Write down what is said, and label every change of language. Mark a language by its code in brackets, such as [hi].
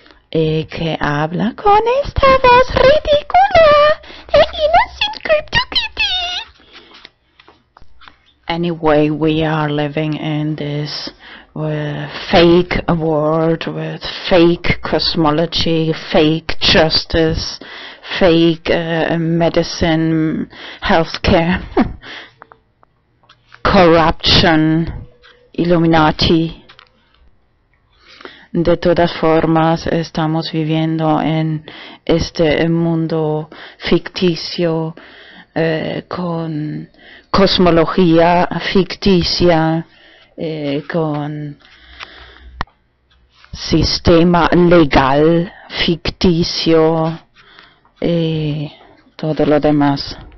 [es] Y que habla con esta voz ridícula de Innocent Crypto Kitty. [en] Anyway, we are living in this fake world with fake cosmology, fake justice, fake medicine, healthcare, corruption, Illuminati. [es] De todas formas, estamos viviendo en este mundo ficticio, con cosmología ficticia, con sistema legal ficticio y todo lo demás.